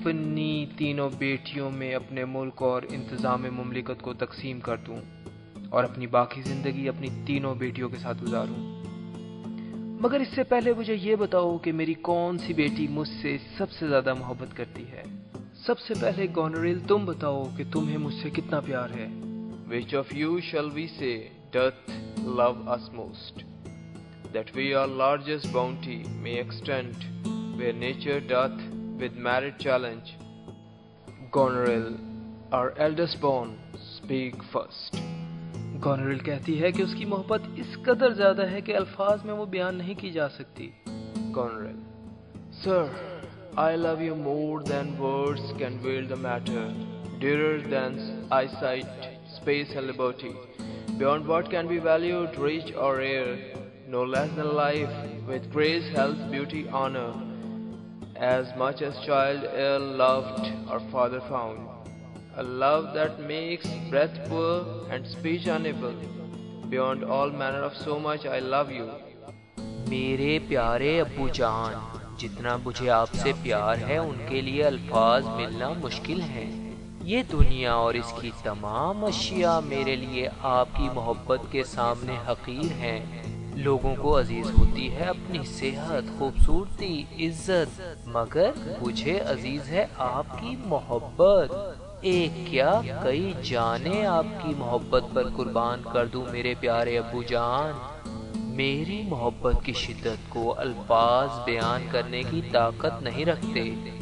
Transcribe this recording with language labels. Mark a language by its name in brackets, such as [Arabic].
[Urdu] اپنی تینوں بیٹیوں میں اپنے ملک اور انتظام مملکت کو تقسیم کر دوں اور اپنی باقی زندگی اپنی تینوں بیٹیوں کے ساتھ گزاروں۔ مگر اس سے پہلے مجھے یہ بتاؤ کہ میری کون سی بیٹی مجھ سے سب سے زیادہ محبت کرتی ہے۔ سب سے پہلے گونریل، تم بتاؤ کہ تمہیں مجھ سے کتنا پیار ہے۔ [English] Which of you shall we say doth love us most, that we are largest bounty may extend where nature doth with merit challenge? Goneril, our eldest born, speak first. [Urdu] Goneril کہتی ہے کہ اس کی محبت اس قدر زیادہ ہے کہ الفاظ میں وہ بیان نہیں کی جا سکتی۔ [English] Goneril, sir, I love you more than words can veil the matter, dearer than eyesight, space and liberty, beyond what can be valued, rich or rare, no less than life, with grace, health, beauty, honor, as much as child ill loved or father found, a love that makes breath poor and speech unable, beyond all manner of so much I love you. [Urdu] میرے پیارے ابو جان، جتنا مجھے آپ سے پیار ہے ان کے لیے الفاظ ملنا مشکل ہے۔ یہ دنیا اور اس کی تمام اشیاء میرے لیے آپ کی محبت کے سامنے حقیر ہیں۔ لوگوں کو عزیز ہوتی ہے اپنی صحت، خوبصورتی، عزت، مگر مجھے عزیز ہے آپ کی محبت۔ ایک کیا کئی جانیں آپ کی محبت پر قربان کر دوں میرے پیارے ابو جان؟ میری محبت کی شدت کو الفاظ بیان کرنے کی طاقت نہیں رکھتے۔